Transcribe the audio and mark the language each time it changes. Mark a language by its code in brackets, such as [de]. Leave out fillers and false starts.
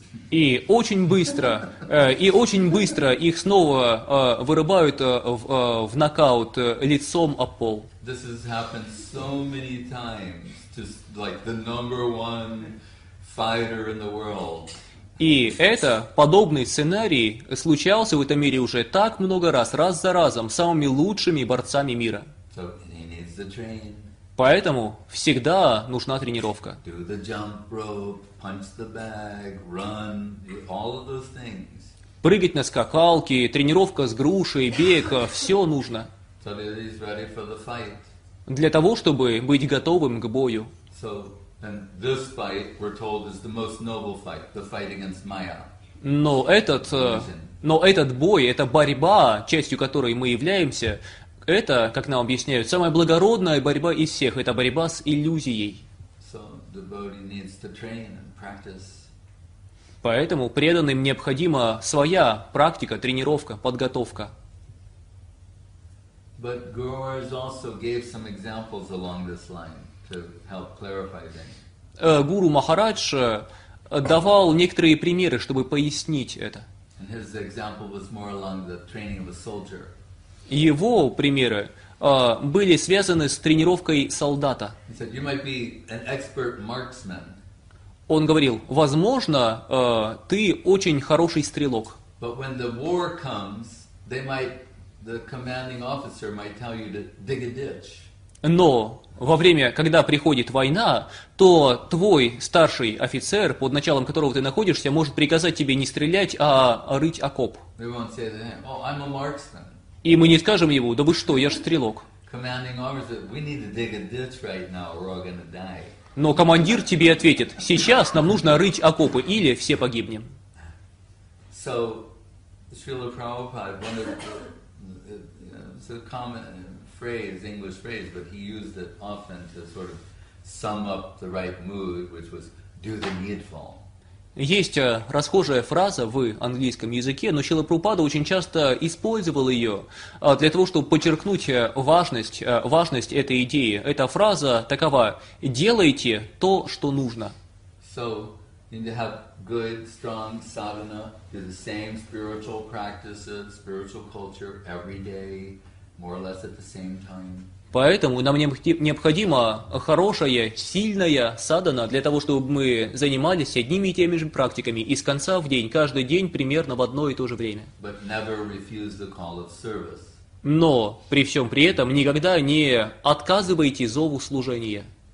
[ru] И очень быстро, их снова вырубают в нокаут лицом об пол. [en] This has happened so many times to like the number one fighter in the world. [ru] И это, подобный сценарий, случался в этом мире уже так много раз, раз за разом, с самыми лучшими борцами мира. [en] So he needs to train. [ru] Поэтому всегда нужна тренировка. [en] Do the jump rope, punch the bag, run, all of those things. [ru] Прыгать на скакалке, тренировка с грушей, бег, все нужно. [en] So he's ready for the fight. [ru] Для того, чтобы быть готовым к бою. [en] So, and this fight, we're told, is the most noble fight, the fight against Maya. [ru] Но этот... Но этот бой, эта борьба, частью которой мы являемся, это, как нам объясняют, самая благородная борьба из всех. Это борьба с иллюзией. [en] So devotee needs to train and practice. [ru] Поэтому преданным необходима своя практика, тренировка, подготовка. [en] But Gurus also gave some examples along this line to help clarify things. [ru] Гуру Махарадж давал некоторые примеры, чтобы пояснить это. [en] And his example was more along the training of a soldier. [ru] Его примеры были связаны с тренировкой солдата. [en] He said, "You might be an expert marksman." [ru] Он говорил, возможно, ты очень хороший стрелок. [en] But when the war comes, they might, the commanding officer might tell you to dig a ditch. [ru] Но во время, когда приходит война, то твой старший офицер, под началом которого ты находишься, может приказать тебе не стрелять, а рыть окоп. [en] They won't say to him, "Oh, I'm a marksman." [ru] И мы не скажем ему, да вы что, я же стрелок. [en] Commanding officer, we need to dig a ditch right now, or we're gonna die. [ru] Но командир тебе ответит, сейчас нам нужно рыть окопы, или все погибнем. [en] So, Srila Prabhupada, one of the, it's a common phrase, English phrase, but he used it often to sort of sum up the right mood, which was, do the needful. [ru] Есть расхожая фраза в английском языке, но Шрила Прабхупада очень часто использовал ее для того, чтобы подчеркнуть важность этой идеи. Эта фраза такова: «Делайте то, что нужно». [en] So, you need to have good, strong sadhana, do the same spiritual practices, spiritual culture every day, more or less at the same time. [ru] Поэтому нам необходима хорошая, сильная садхана для того, чтобы мы занимались одними и теми же практиками из конца в день, каждый день примерно в одно и то же время. [en] But never refuse the call of service. [ru] Но при всем при этом никогда не отказывайте зову служения.